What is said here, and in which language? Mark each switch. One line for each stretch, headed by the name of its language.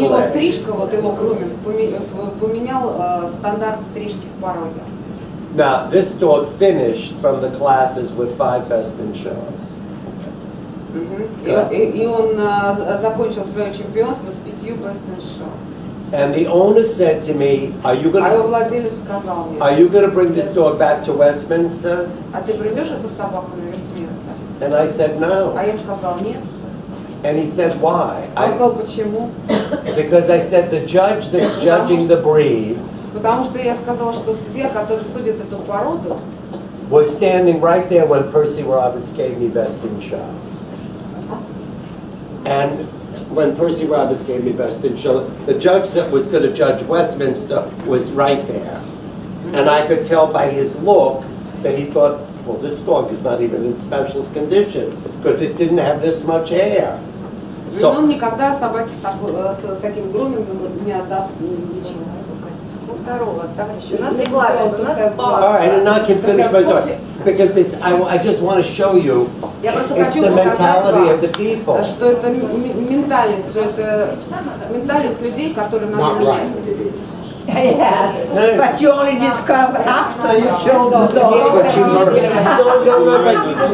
Russian: И его стрижка, вот его грузин, поменял стандарт стрижки в породе.
English: Now this dog finished from the classes with 5 best in show.
Russian: Yeah. И он закончил свое чемпионство с 5 best in show.
English: And the owner said to me, "Are you going to?"
Russian: А его владелец сказал мне.
English: Are you going to bring this dog back to Westminster?
Russian: А ты привезешь эту собаку на Вестминстер?
English: And I said no.
Russian: А я сказал нет.
English: And he said why?
Russian: Он сказал почему?
English: Because I said the judge that's judging the breed.
Russian: Потому что я сказал, что судья, который судит эту породу,
English: was standing right there when Percy Roberts gave me best in show. And when Percy Roberts gave me best in show, the judge that was going to judge Westminster was right there. And I could tell by his look that he thought, well, this dog is not even in special condition because it didn't have this much hair.
Russian: So, он никогда собаке с таким грумингом не отдаст ничего. Второго, товарищи, у нас регламент, у нас пауза.
English: All right, and now I can finish my story. Because it's, I just want to show you, it's the mentality of the people.
Russian: Что это ментальность людей, которые надо решать.
English: Yes, but you only discovered after you showed the dog.